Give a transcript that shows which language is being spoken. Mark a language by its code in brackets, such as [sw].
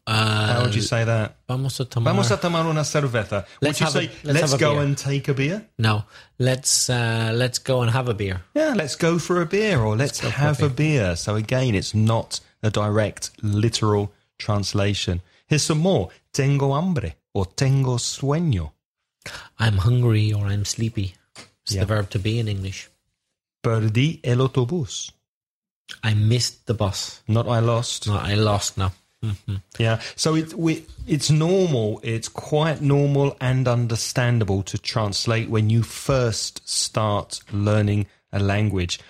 [en] how would you say that? [es] Vamos a tomar una cerveza. [en] Would you say, let's go and take a beer? No, let's go and have a beer. Yeah, let's go for a beer or let's have a beer. So again, it's not a direct literal translation. Here's some more. [es] Tengo hambre or tengo sueño. [en] I'm hungry or I'm sleepy. It's the verb to be in English. [es] Perdí el autobús. [en] I missed the bus. Not I lost. Not I lost, no. Yeah, so it's normal, it's quite normal and understandable to translate when you first start learning a language.